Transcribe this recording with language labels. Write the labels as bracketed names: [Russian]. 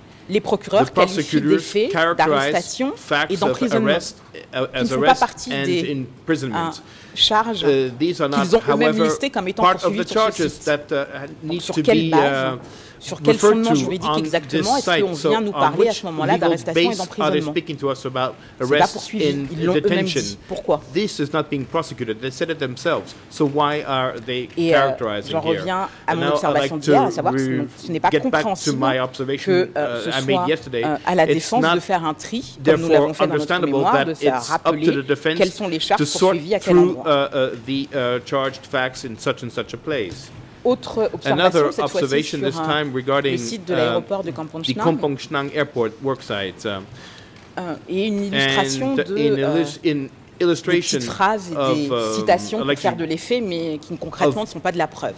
[French] les procureurs qualifient des faits d'arrestation et d'emprisonnement qui ne font pas partie des charges qu'ils ont eux-mêmes listées comme étant poursuivies sur ce site. Donc, sur quelle base? Sur quel fondement juridique exactement est-ce qu'on vient nous parler à ce moment-là d'arrestation et d'emprisonnement? C'est pas poursuivi, ils l'ont eux-mêmes dit. Pourquoi? [English] This is not being prosecuted. They said it themselves. So why are they characterizing here? [French] J'en reviens à mon observation d'hier, à savoir que ce n'est pas compréhensible que ce soit à la défense de faire un tri, comme nous l'avons fait dans notre mémoire, de se rappeler quelles sont les charges poursuivies à quel endroit. [English] The charged facts in such and such a place. [French] Autre observation, cette fois-ci sur le site de l'aéroport de [English] Kampong Chhnang Airport worksite, [French] et une illustration illustration des petites phrases et des citations pour faire de l'effet, mais qui concrètement ne sont pas de la preuve.